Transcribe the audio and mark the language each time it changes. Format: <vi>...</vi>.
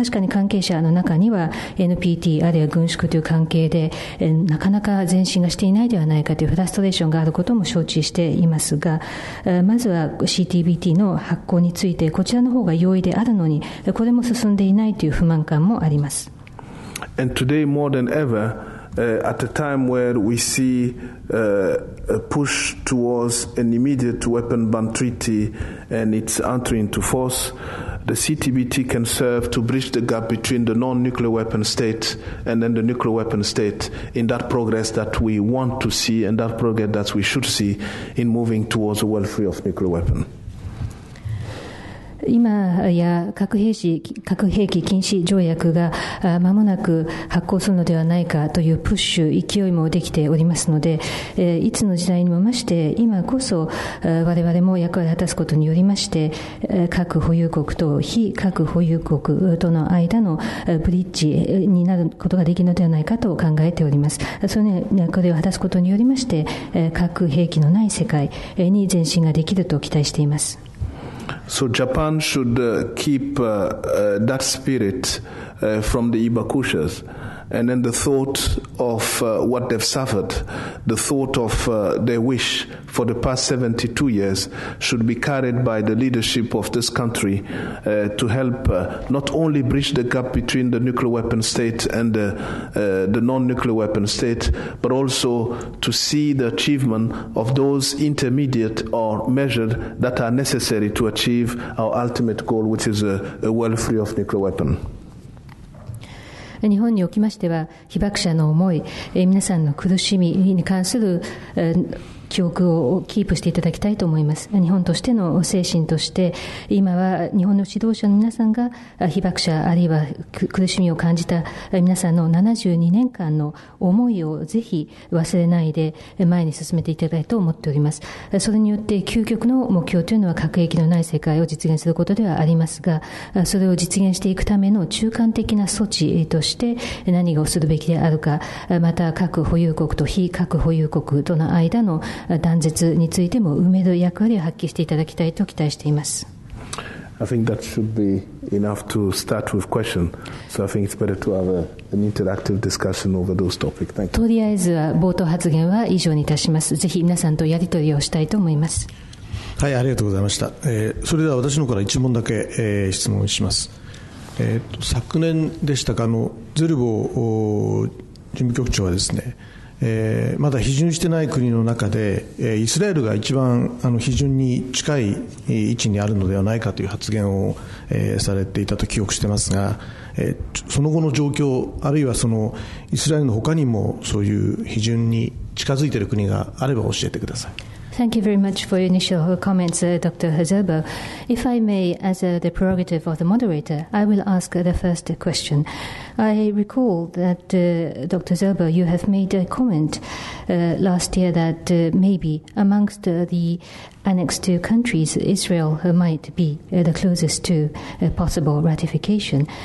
<ja>確かに関係者の中には、 NPT あるいは軍縮という関係でなかなか前進がしていないではないかというフラストレーションがあることも承知していますが、まずは CTBT の発行についてこちらの方が容易であるのに、これも進んでいないという不満感もあります。</ja> <en>And today more than ever, at a time where we see a push towards an immediate weapon ban treaty and its entry into force, the CTBT can serve to bridge the gap between the non-nuclear weapon state and then the nuclear weapon state in that progress that we want to see and that progress that we should see in moving towards a world free of nuclear weapon.</en> <ja>今や核兵器禁止条約が間もなく発効するのではないかというプッシュ、勢いもできておりますので、いつの時代にもまして今こそ我々も役割を果たすことによりまして、核保有国と非核保有国との間のブリッジになることができるのではないかと考えております。その役割を果たすことによりまして、核兵器のない世界に前進ができると期待しています。</ja> <en>So Japan should keep that spirit from the Ibakushas And then the thought of what they've suffered, the thought of their wish for the past 72 years should be carried by the leadership of this country to help not only bridge the gap between the nuclear weapon state and the non-nuclear weapon state, but also to see the achievement of those intermediate or measured that are necessary to achieve our ultimate goal, which is a world free of nuclear weapon.</en> <ja>日本におきましては被爆者の思い、皆さんの苦しみに関する記憶をキープしていただきたいと思います。日本としての精神として、今は日本の指導者の皆さんが被爆者あるいは苦しみを感じた皆さんの72年間の思いをぜひ忘れないで前に進めていただきたいと思っております。それによって究極の目標というのは核兵器のない世界を実現することではありますが、それを実現していくための中間的な措置として何をするべきであるか、また核保有国と非核保有国との間の断絶についても埋める役割を発揮していただきたいと期待しています。</ja> <en>I think that should be enough to start with question. So I think it's better to have an interactive discussion over those topics. Thank you.</en> <ja>とりあえずは冒頭発言は以上にいたします。ぜひ皆さんとやり取りをしたいと思います。はい、ありがとうございました。それでは私の方から1問だけ、質問します。昨年でしたか、ゼルボ事務局長はですね、まだ批准していない国の中で、イスラエルが一番批准に近い位置にあるのではないかという発言を、されていたと記憶していますが、その後の状況、あるいはそのイスラエルの他にもそういう批准に近づいている国があれば教えてください。</ja> <en>Thank you very much for your initial comments, Dr. Hazelbo. If I may, as the prerogative of the moderator, I will ask the first question. I recall that, Dr. Hazelbo, you have made a comment last year that maybe amongst the annexed two countries, Israel might be the closest to possible ratification.</en>